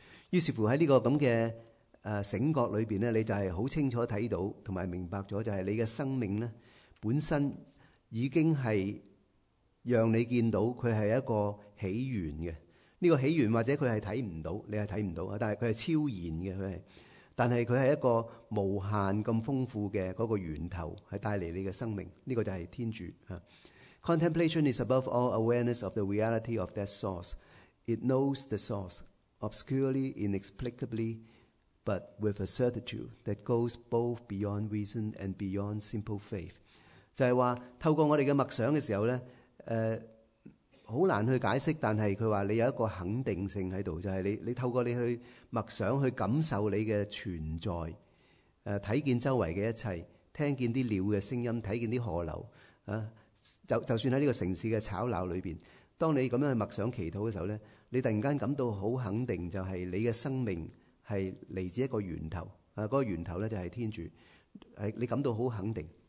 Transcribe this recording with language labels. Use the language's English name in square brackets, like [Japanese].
[Chinese] 於是乎在这个这样的醒觉里面，你就是很清楚看到同埋明白了，就是你的生命呢本身已经是让你见到它是一个起源的。这个起源或者它是看不到，你是看不到，但是它是超然的。但是它是一个无限咁丰富的嗰个源头，是带来你的生命，这个就是天主。 [English] Contemplation is above all awareness of the reality of that source. It knows the source, obscurely, inexplicably, but with a certitude that goes both beyond reason and beyond simple faith. [Chinese] 就是说透过我们的默想的时候呢，很难去解释，但是他说你有一个肯定性在这里，就是 你透过你去默想去感受你的存在，看见周围的一切，听见鸟的声音，看见河流，就算在这个城市的吵闹里面，当你这样去默想祈祷的时候，你突然感到很肯定，就是你的生命是来自一个源头，那个源头就是天主，你感到很肯定。